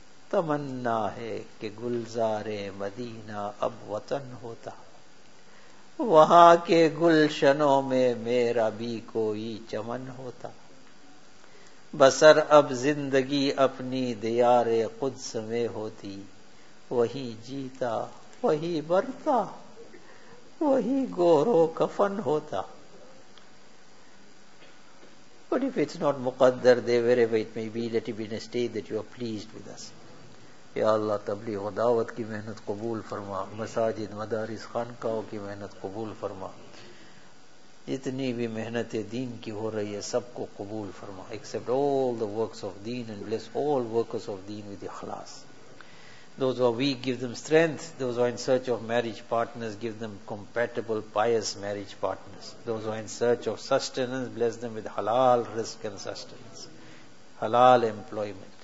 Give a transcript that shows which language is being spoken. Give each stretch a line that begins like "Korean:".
Urdu: تمنا ہے کہ گلزار مدینہ اب وطن ہوتا، وہاں کے گلشنوں میں میرا بھی کوئی چمن ہوتا. بسر اب زندگی اپنی دیار قدس میں ہوتی، وہی جیتا وہی برتا وہی گور و کفن ہوتا.
English: But if it's not
Urdu: مقدر دے
English: wherever it may be, let it be in a state that you are pleased with us.
Urdu: یا اللہ تبلیغ و دعوت کی محنت قبول فرما، مساجد مدارس خانقاہوں کی محنت قبول فرما، جتنی بھی محنت دین کی ہو رہی ہے سب کو قبول فرما.
English: Accept all the works of deen and bless all workers of deen with ikhlas. Those who are weak, give them strength. Those who are in search of marriage partners, give them compatible pious marriage partners. Those who are in search of sustenance, bless them with halal risk and sustenance, halal employment.